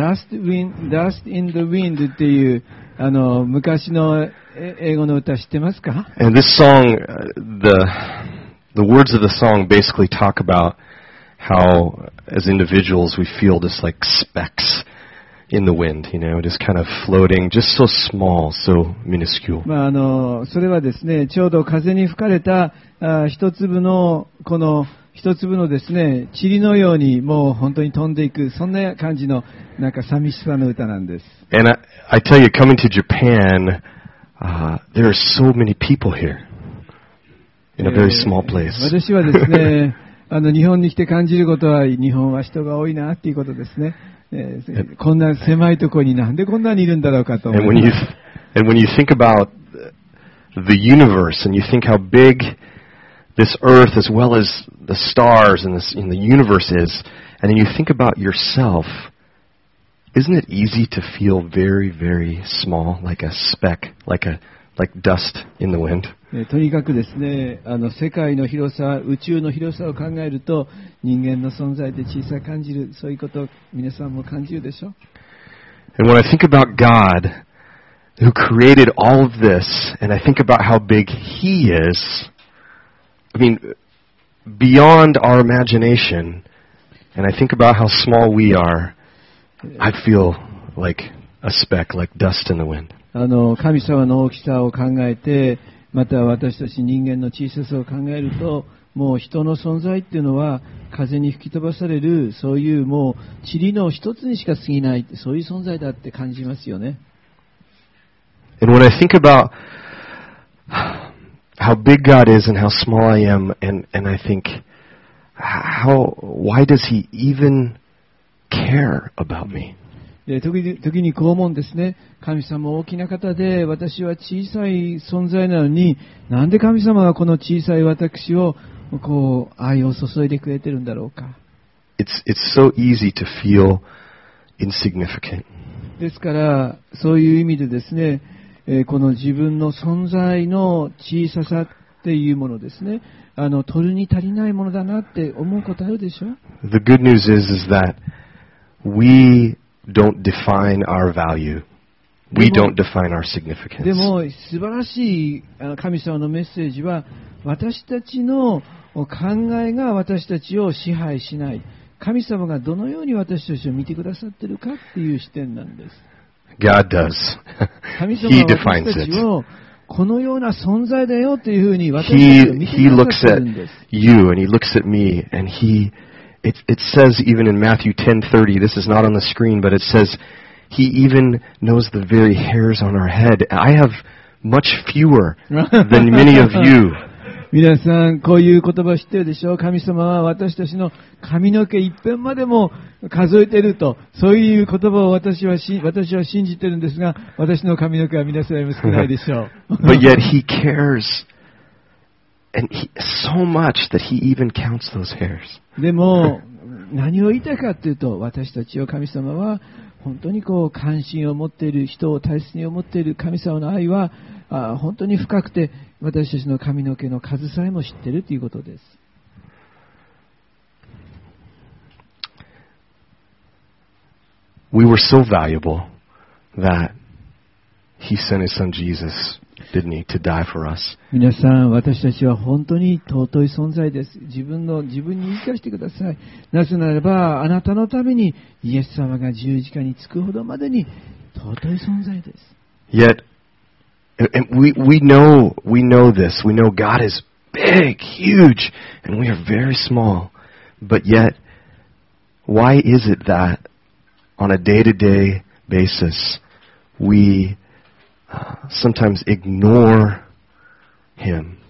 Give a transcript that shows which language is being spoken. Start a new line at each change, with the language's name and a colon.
Japanese: Dust in the Wind っていう昔の英語の歌知ってますか?
English: And this song, the words of the song basically talk about how as individuals we feel just like specks in the wind, you know, just kind of floating, just so small, so minuscule.
Japanese: それはですね、ちょうど風に吹かれた一粒のですね、塵のようにもう本当に飛んでいく、そんな感じのなんか寂しさの歌なんです。
English: And I tell you, coming to Japan, there are so many people here in a very small place.
Japanese: 私はですね、日本に来て感じることは、日本は人が多いなっていうことですね。こんな狭いところになんでこんなにいるんだろうかと思います。
English: And when you think about the universe and you think how big this earth as well as the stars and in the universe is, and then you think about yourself, isn't it easy to feel very, very small, like a speck, like dust in the wind?
Japanese: とにかくですね、世界の広さ、宇宙の広さを考えると、人間の存在で小さく感じる、そういうことを皆さんも感じるでしょう。
English: And when I think about God, who created all of this, and I think about how big He is, I mean, beyond our imagination, and I think about how small we are, I feel like a speck, like dust in the wind.
Japanese: 神様の大きさを考えて、また私たち人間の小ささを考えると、もう人の存在っていうのは風に吹き飛ばされる、そういうもう塵の一つにしか過ぎない、そういう存在だって感じますよね。
English: And when I think about how big God is and how small I am, and I think, why does He even care about me?
Japanese: 時にこう思うんですね。神様大きな方で、私は小さい存在なのに、なんで神様はこの小さい私をこう愛を注いでくれてるんだろうか。
English: It's so easy to feel insignificant.
Japanese: ですから、そういう意味でですね、この自分の存在の小ささっていうものですね、取るに足りないものだなって思うことあるでしょ。
English: The good news is that we don't define our value. We don't define our significance.
Japanese: でも素晴らしい神様のメッセージは、私たちの考えが私たちを支配しない。神様がどのように私たちを見てくださってるかっていう視点なんです。
English: God does. He defines it.
Japanese: 神様は私たちをこのような存在だよっていうふうに私たちを見てくださってるんです。
English: He looks at you and He looks at me and HeIt says even in Matthew 10:30, this is not on the screen, but it says He even knows the very hairs on our head. I have much fewer than many of you.
Japanese: 皆さん、こういう言葉知ってるでしょ?神様は私たちの髪の毛一辺までも数えてると、そういう言葉を私は信じてるんですが、私の髪の毛は皆さんよりも少ないでしょう。
English: But yet He cares. And he, so much that he even counts those hairs.
Japanese: でも何を言いたいかっていうと、私たちを神様は本当にこう関心を持っている、人を大切に思っている神様の愛は本当に深くて、私たちの髪の毛の数さえも知ってるということです。
English: We were so valuable that he sent his son Jesus. Didn't he, to die for us.
Japanese: 皆さん、私たちは本当に尊い存在です。自分に生かしてください。なぜならば、あなたのためにイエス様が十字架につくほどまでに尊い存在です。
English: Yet, and we know this. We know God is big, huge, and we are very small. But yet, why is it that on a day-to-day basis, weSometimes ignore him.